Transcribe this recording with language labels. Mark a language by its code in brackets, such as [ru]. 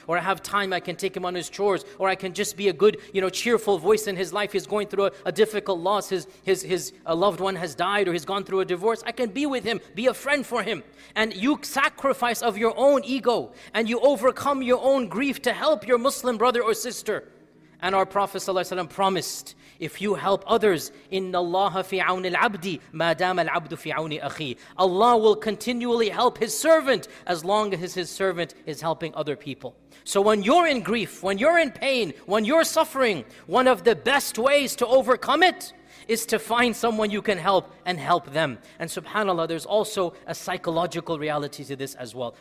[en] Or I have time, I can take him on his chores. Or I can just be a good, you know, cheerful voice in his life. He's going through a difficult loss, his loved one has died, or he's gone through a divorce. I can be with him, be a friend for him. And you sacrifice of your own ego, and you overcome your own grief to help your Muslim brother or sister. And our Prophet ﷺ promised, if you help others, [ar] إِنَّ اللَّهَ فِي عَوْنِ الْعَبْدِ مَا دَامَ الْعَبْدُ فِي عَوْنِ أَخِيهِ. [en] Allah will continually help His servant as long as His servant is helping other people. So when you're in grief, when you're in pain, when you're suffering, one of the best ways to overcome it is to find someone you can help and help them. And subhanAllah, there's also a psychological reality to this as well.